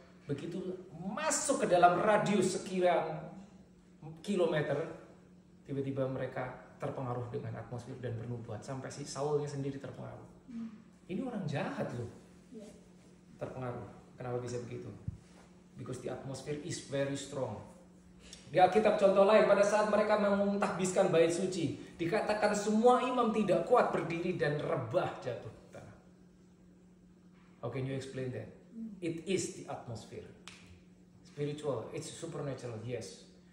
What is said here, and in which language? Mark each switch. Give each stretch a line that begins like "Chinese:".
Indonesian: Begitu masuk ke dalam radius sekian kilometer, tiba-tiba mereka terpengaruh dengan atmosfer dan bernubuat. Sampai si Saulnya sendiri terpengaruh. Ini orang jahat loh. Terpengaruh. Kenapa bisa begitu?
English: Because the atmosphere is very strong.
Indonesian: Di Alkitab contoh lain, pada saat mereka memuntahbiskan bait suci, dikatakan semua imam tidak kuat berdiri dan rebah jatuh.
English: How can you explain that? It is the atmosphere. Spiritual, it's supernatural, yes.